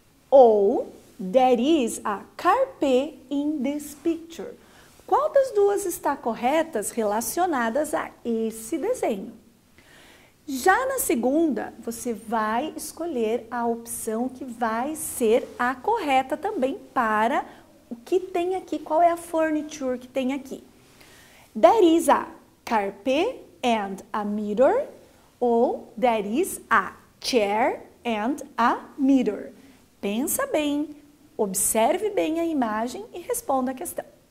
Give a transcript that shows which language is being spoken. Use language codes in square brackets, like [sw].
[pt] Ou [en] there is a carpet in this picture. [pt] Qual das duas está corretas relacionadas a esse desenho? Já na segunda, você vai escolher a opção que vai ser a correta também para o que tem aqui, qual é a furniture que tem aqui. [en] There is a carpet and a mirror. [pt] Ou [en] there is a chair and a mirror. [pt] Pensa bem, observe bem a imagem e responda a questão.